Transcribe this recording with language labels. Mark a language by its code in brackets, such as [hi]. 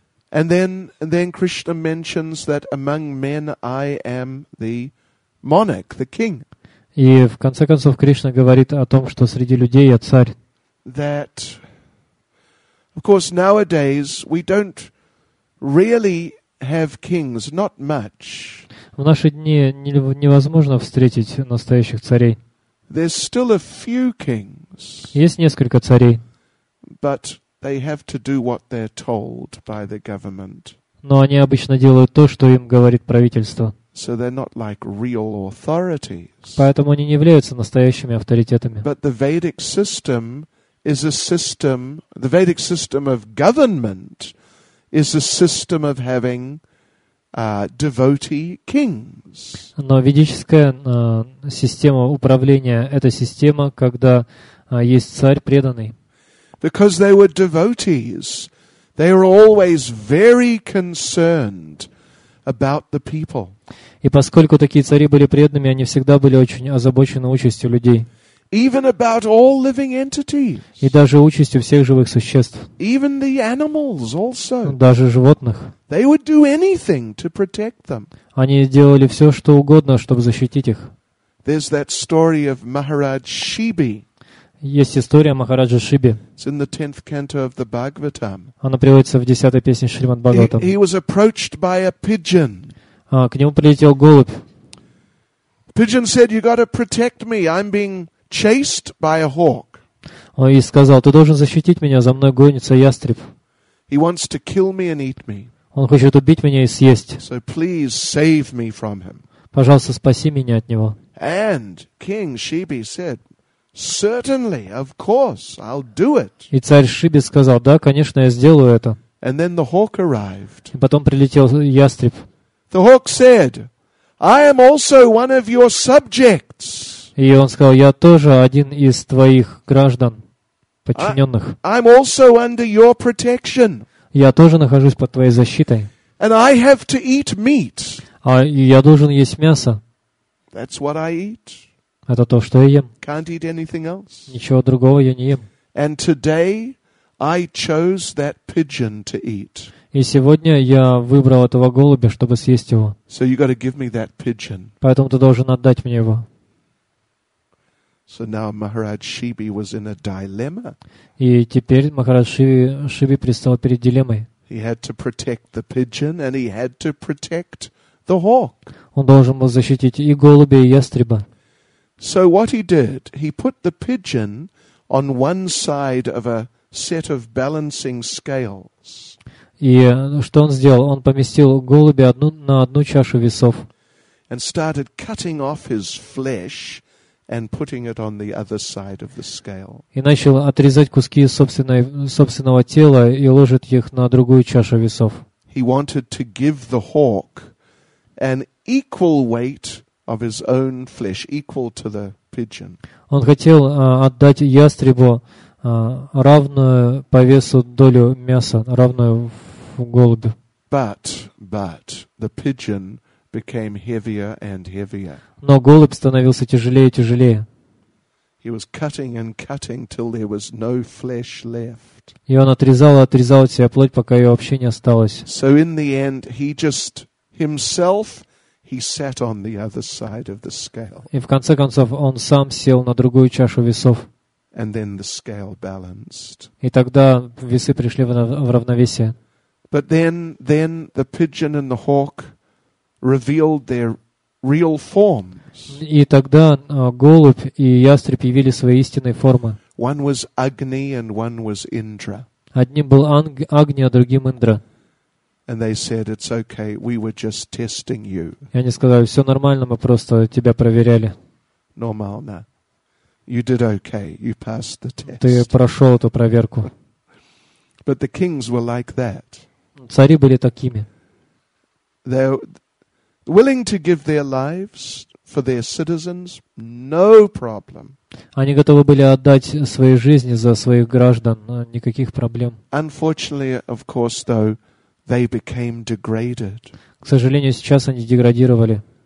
[en] And then Krishna mentions that among men I am the monarch, the king. [ru] И в конце концов Кришна говорит о том, что среди людей я царь. [en] That, of course, nowadays we don't really have kings, not much. [ru] В наши дни невозможно встретить настоящих царей. [en] There's still a few kings. [ru] Есть несколько царей. [en] But they have to do what they're told by the government. [ru] Но они обычно делают то, что им говорит правительство. [en] So they're not like real authorities. [ru] Поэтому они не являются настоящими авторитетами. [en] But the Vedic system is a system, the Vedic system of government is a system of having devotee kings. [ru] Но ведическая система управления это система, когда есть царь преданный. [en] Because they were devotees, they were always very concerned about the people. [ru] И поскольку такие цари были преданными, они всегда были очень озабочены участью людей. [en] Even about all living entities. [ru] И даже участью всех живых существ. [en] Even the animals also. [ru] Даже животных. [en] They would do anything to protect them. [ru] Они делали все, что угодно, чтобы защитить их. [en] There's that story of Maharaj Shibi. [ru] Есть история Махараджа Шиби. Она приводится в 10-й песне Шримад-Бхагаватам. [en] He was approached by a pigeon. [ru] К нему прилетел голубь. [en] Pigeon said, "You got to protect me. I'm being chased by a hawk." [ru] Он ей сказал, ты должен защитить меня, за мной гонится ястреб. [en] He wants to kill me and eat me. [ru] Он хочет убить меня и съесть. [en] So please save me from him. [ru] Пожалуйста, спаси меня от него. [en] And King Shibi said, Certainly, of course, I'll do it. [ru] И царь Шиби сказал, да, конечно, я сделаю это. [en] And then the hawk arrived. [ru] Потом прилетел ястреб. [en] The hawk said, "I am also one of your subjects." [ru] И он сказал: "Я тоже один из твоих граждан, подчиненных." [en] I'm also under your protection. [ru] Я тоже нахожусь под твоей защитой. [en] And I have to eat meat. [ru] А я должен есть мясо. [en] That's what I eat. [ru] Это то, что я ем. [en] Can't eat anything else. [ru] Ничего другого я не ем. [en] And today I chose that pigeon to eat. [ru] И сегодня я выбрал этого голубя, чтобы съесть его. [en] So you got to give me that pigeon. [ru] Поэтому ты должен отдать мне его. [en] So now Maharaj Shibi was in a dilemma. [ru] И теперь Махарадж Шиби предстал перед дилеммой. [en] He had to protect the pigeon and he had to protect the hawk. [ru] Он должен был защитить и голубя, и ястреба. [en] So what he did, he put the pigeon on one side of a set of balancing scales. [ru] И что он сделал? Он поместил голубя на одну чашу весов. [en] And started cutting off his flesh and putting it on the other side of the scale. [ru] И начал отрезать куски собственного тела и ложить их на другую чашу весов. [en] He wanted to give the hawk an equal weight of his own flesh, equal to the pigeon. [ru] Он хотел отдать ястребу равную по весу долю мяса, равную голубю. [en] But the pigeon became heavier and heavier. [ru] Но голубь становился тяжелее и тяжелее. [en] He was cutting and cutting till there was no flesh left. [ru] И он отрезал от себя плоть, пока ее вообще не осталось. [en] So in the end, he just himself. He sat on the other side of the scale. [ru] И в конце концов он сам сел на другую чашу весов. [en] And then the scale balanced. [ru] И тогда весы пришли в равновесие. [en] But then the pigeon and the hawk revealed their real forms. [ru] И тогда голубь и ястреб явили свои истинные формы. [en] One was Agni and one was Indra. [ru] Одним был Агни, а другим Индра. [en] And they said, "It's okay. We were just testing you." [ru] И они сказали: "Все нормально, мы просто тебя проверяли." Нормально. [en] You did okay. You passed the test. [ru] Ты прошел эту проверку. [en] But the kings were like that. [ru] Цари были такими. [en] They were willing to give their lives for their citizens. No problem. [ru] Они готовы были отдать свои жизни за своих граждан. Никаких проблем. [en] Unfortunately, of course, though. They became degraded. [ru] К сожалению, сейчас они деградировали.